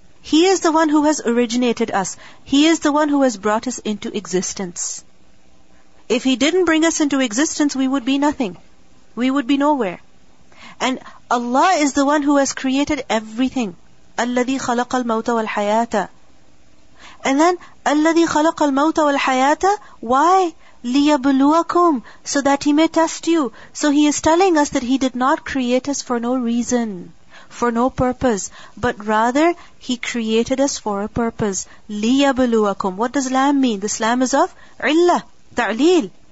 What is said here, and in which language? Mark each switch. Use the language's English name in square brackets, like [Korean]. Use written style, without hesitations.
[English] He is the one who has originated us. He is the one who has brought us into existence. If He didn't bring us into existence, we would be nothing. We would be nowhere. And Allah is the one who has created everything. [Arabic] الَّذِي خَلَقَ الْمَوْتَ وَالْحَيَاةَ. [English] And then, [Arabic] الَّذِي خَلَقَ الْمَوْتَ وَالْحَيَاةَ. [English] Why? [Arabic] لِيَبْلُوَكُمْ, [English] so that He may test you. So He is telling us that He did not create us for no reason, for no purpose, but rather He created us for a purpose. [Arabic] لِيَبْلُوَكُمْ. [English] What does lam mean? This lam is of illah, ta'leel.